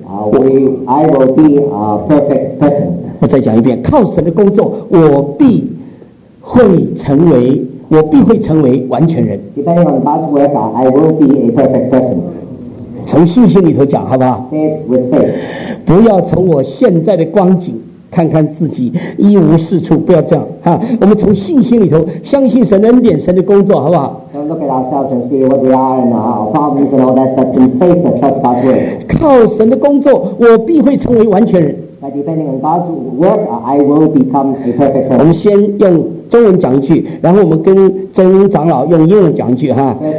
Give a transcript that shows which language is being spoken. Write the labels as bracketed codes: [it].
[en] I will be a perfect person. [zh] 我再讲一遍，靠神的工作，我必会成为完全人。 [en] Depending on God's work, I will be a perfect person. [zh] 从信心里头讲，好不好？ [en] Say it with faith. [zh] 不要从我现在的光景看看自己一无是处，不要这样哈。我们从信心里头相信神恩典、神的工作，好不好？ [en] Don't look at ourselves and see what we are and our problems and all that, but in faith and trust God's work. [zh] 靠神的工作，我必会成为完全人。 [en] By depending on God's work, I will become a perfect person. [zh] 我们先用中文讲一句，然后我们跟真英长老用英文讲一句哈。